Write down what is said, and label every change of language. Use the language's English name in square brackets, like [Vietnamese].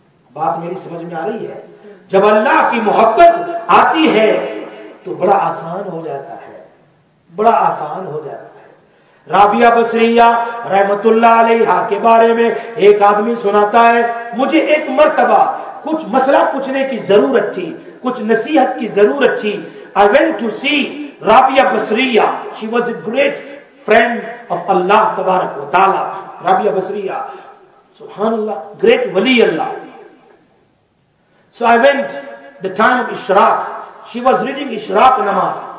[Urdu] بات میری سمجھ میں آ رہی ہے؟ جب اللہ کی محبت آتی ہے تو بڑا آسان ہو جاتا ہے, بڑا آسان ہو جاتا ہے. رابعہ بصریہ رحمت اللہ علیہا کے بارے میں ایک آدمی سناتا ہے, مجھے ایک مرتبہ کچھ مسئلہ پوچھنے کی ضرورت تھی, کچھ نصیحت کی ضرورت تھی. [English] I went to see Rabia Basri, she was a great friend of Allah تبارک و تعالی. [Urdu] رابعہ بصریہ سبحان اللہ great ولی اللہ. [English] So I went the time of Ishraq, she was reading Ishraq namaz.